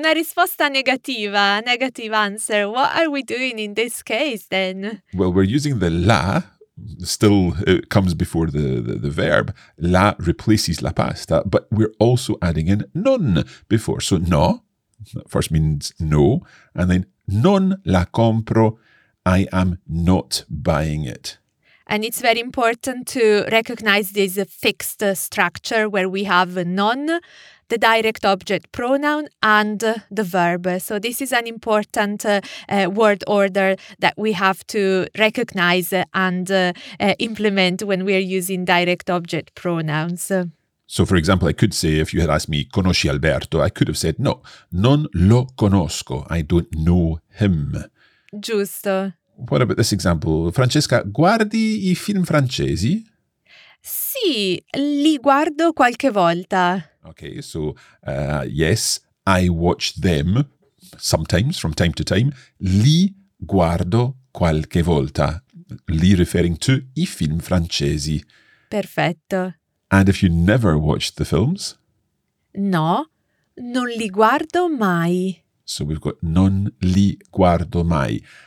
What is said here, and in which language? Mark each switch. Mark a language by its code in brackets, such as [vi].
[it] una risposta negativa, [en] negative answer. What are we doing in this case then? Well, we're using the la. Still, it comes before the verb. La replaces la pasta, but we're also adding in non before. So no, that first means no, and then [it] non la compro, [en] I am not buying it. And it's very important to recognize this fixed structure where we have non, the direct object pronoun, and the verb. So this is an important word order that we have to recognize and implement when we are using direct object pronouns. So for example, I could say, if you had asked me, [it] conosci Alberto, [en] I could have said, [it] no, non lo conosco, [en] I don't know him. [it] Giusto. [en] What about this example? [it] Francesca, guardi i film francesi? Sì, li guardo qualche volta. [en] Okay, so yes, I watch them sometimes, from time to time. [it] Li guardo qualche volta. Li [en] referring to [it] i film francesi. Perfetto. [en] And if you never watched the films? [it] No, non li guardo mai. [en] So we've got [it] non li guardo mai.